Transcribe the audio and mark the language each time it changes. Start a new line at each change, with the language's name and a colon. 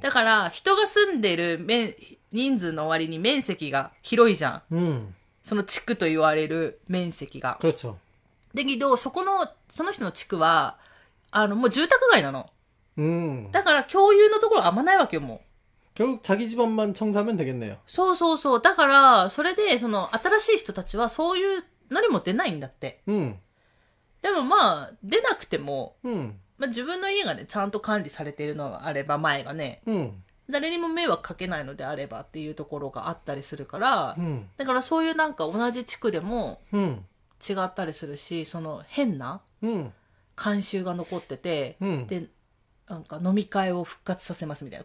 Japanese: だから、人が住んでる人数の割に面積が広いじゃん。その地区と言われる面積が。
Korean: 그렇죠.
Japanese: だけど、その人の地区は、もう住宅街なの。だから、共有のところあんまないわけよ、もう。
Korean: 결국 자기 집안만 청소하면 되겠네요.
Japanese: そう。だから、それで、その、新しい人たちは、そういうのにも出ないんだって。でも、まあ、出なくても、まあ、自分の家がね、ちゃんと管理されているのがあれば、前がね、誰にも迷惑かけないのであればっていうところがあったりするから、だからそういうなんか同じ地区でも違ったりするし、その変な慣習が残ってて、で、なんか飲み会を復活させますみたいな。